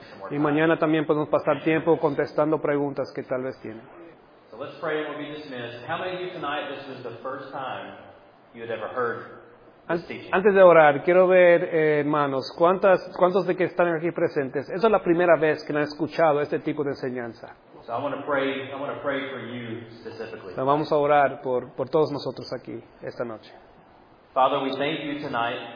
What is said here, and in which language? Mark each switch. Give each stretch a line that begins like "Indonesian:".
Spanish: Y mañana también podemos pasar tiempo contestando preguntas que tal vez tienen.
English: So let's pray and we'll be dismissed. How many of you tonight, this was the first time you had ever heard?
Spanish: Antes de orar, quiero ver, hermanos, ¿cuántos de que están aquí presentes? Esa es la primera vez que han escuchado este tipo de enseñanza.
English: So I'm gonna pray for you specifically. So
Spanish: vamos a orar por todos nosotros aquí esta noche.
English: Father, we thank you tonight.